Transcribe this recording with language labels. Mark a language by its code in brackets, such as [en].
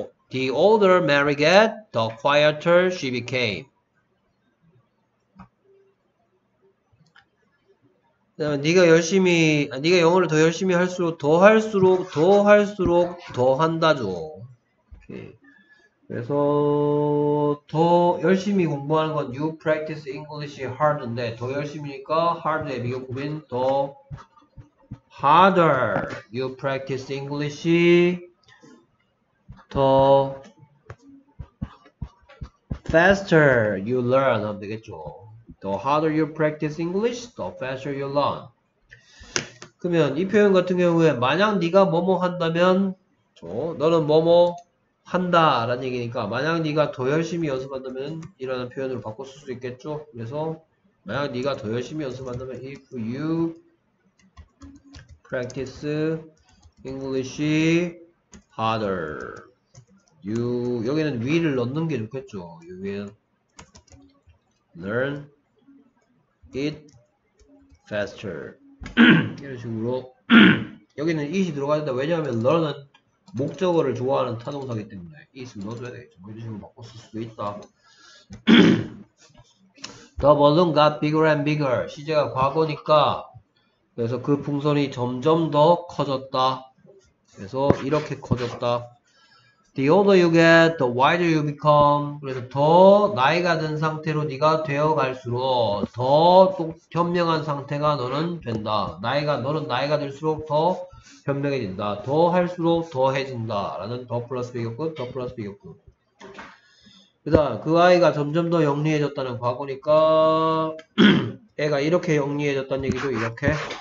[en] The older Mary get, the quieter she became. [ko] 네가 열심히, 네가 영어를 더 열심히 할수록 더 할수록 더 할수록 더 한다죠. 그래서 더 열심히 공부하는 건 [en] you practice English hard [ko] 인데 더 열심히니까 hard의 비교급인 더 harder. [en] You practice English 더 faster you learn [ko] 하면 되겠죠. [en] The harder you practice English, the faster you learn. [ko] 그러면 이 표현 같은 경우에 만약 네가 뭐뭐 한다면 너는 뭐뭐 한다 라는 얘기니까 만약 네가 더 열심히 연습한다면 이라는 표현으로 바꿔 쓸 수 있겠죠. 그래서 만약 네가 더 열심히 연습한다면 [en] if you practice English harder, you [ko] 여기는 will 넣는 게 좋겠죠. [en] You will learn it faster. [ko] 이런 식으로 여기는 it이 들어가야 된다. 왜냐하면 learn은 목적어를 좋아하는 타동사이기 때문에 it을 넣어줘야 되겠죠. 이런 식으로 바꿔 쓸 수도 있다. [en] The balloon got bigger and bigger. [ko] 시제가 과거니까 그래서 그 풍선이 점점 더 커졌다. 그래서 이렇게 커졌다. [en] The older you get, the wider you become. [ko] 그래서 더 나이가 든 상태로 네가 되어갈수록 더 현명한 상태가 너는 된다. 너는 나이가 들수록 더 현명해진다. 더 할수록 더 해진다. 라는 더 플러스 비교급, 더 플러스 비교급. 그 다음, 그 아이가 점점 더 영리해졌다는 과거니까, 애가 이렇게 영리해졌다는 얘기도 이렇게.